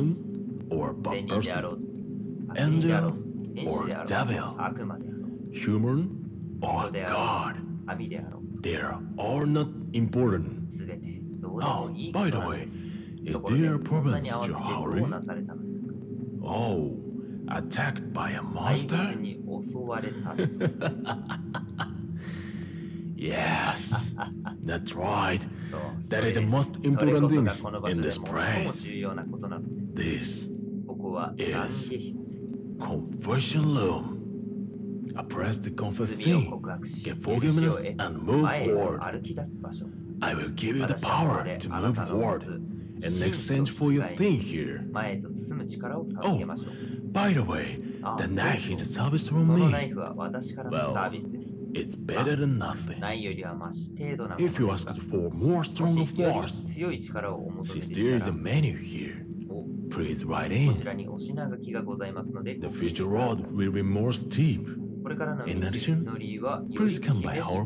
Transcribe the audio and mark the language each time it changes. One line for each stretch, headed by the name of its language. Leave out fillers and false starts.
English: Good person or bad person?
Japanese: 善人であろう。
English: Angel or devil?
Japanese: 悪魔であろう。
English: Human or God?
Japanese: 神であろう。
English: They are not important.
Japanese: すべてどうでもいいことです。ところで、そんなに慌ててどうなされたのですか？
English: Oh, attacked by a monster?
Japanese: 怪物に襲われたと。
English: Yes, that's right. That is the most important thing in this place. This is confession room. I press the confession, get forgiveness, and move forward. I will give you the power to move forward and exchange for your thing here. Oh, by the way, the knife is a service from me. Well, It's better than nothing.
Japanese: ないよりはマシ程度なものですか。
English: If you ask for more strong force,
Japanese: もしより強い力をお求めでしたら、
English: Since there is a menu here, please write in.
Japanese: こちらにお品書きがございますので、
English: The future road will be more steep.
Japanese: これからの道のりはより厳しくなるでしょう。